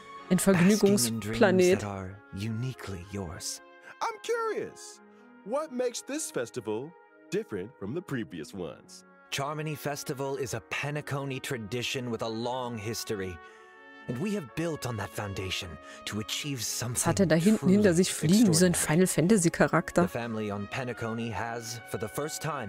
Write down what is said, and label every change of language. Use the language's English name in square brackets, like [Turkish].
[German] Ein Vergnügungsplanet. [English] Uniquely yours. I'm curious. What makes this festival different from the previous ones? Charmony Festival is a Pentacone tradition with a long history. And we have built on that foundation to achieve something. [German] Was hat er da hinten hinter sich fliegen, wie so ein Final Fantasy Charakter? [English] The family on Penacony has, for the first time,